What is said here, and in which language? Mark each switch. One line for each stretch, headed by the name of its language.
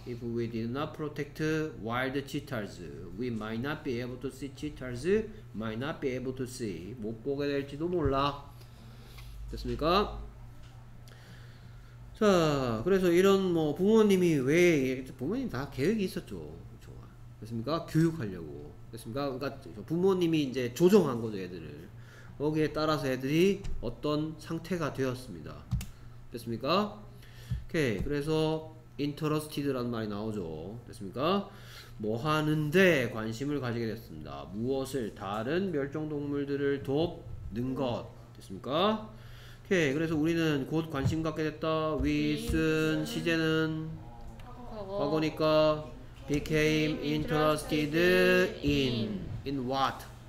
English: If we did not protect wild cheetahs, we might not be able to see cheetahs, might not be able to see.
Korean: 못 보게 될지도 몰라. 됐습니까? 자, 그래서 이런 뭐 부모님이 왜 부모님 다 계획이 있었죠. 그렇죠? 됐습니까? 교육하려고. 됐습니까? 그러니까 부모님이 이제 조정한 거죠, 애들을. 거기에 따라서 애들이 어떤 상태가 되었습니다. 됐습니까? 오케이. 그래서 interested라는 말이 나오죠. 됐습니까? 뭐 하는데 관심을 가지게 됐습니다. 무엇을 다른 멸종 동물들을 돕는 것. 됐습니까? 오케이. 그래서 우리는 곧 관심 갖게 됐다.
English: We soon
Korean: 시제는 과거니까
English: became interested in what?